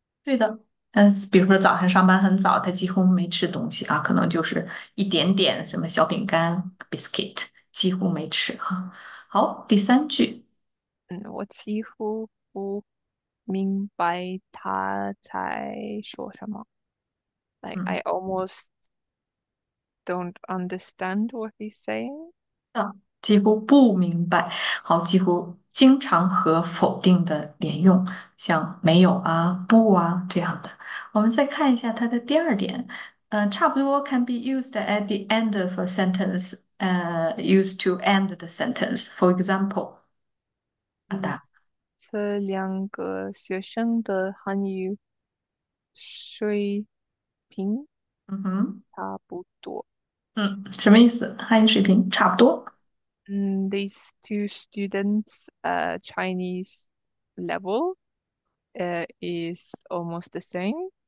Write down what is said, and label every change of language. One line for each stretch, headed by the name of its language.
Chinese: 对的，比如说早上上班很早，他几乎没吃东西啊，可能就是一点点什么小饼干、biscuit，几乎没吃哈。好，第三句，我几乎不明白他在说什么。
English: Like, I almost don't understand what he's saying.
Chinese: 几乎不明白，好，几乎。经常和否定的连用，像没有啊、不啊这样的。我们再看一下它的第二点，差不多
English: can be used at the end of a sentence, used to end the sentence. For example，
Chinese: 这两个学生的汉语水平差不多。什么意思？汉语水平差不多。
English: These two students' Chinese level is almost the same.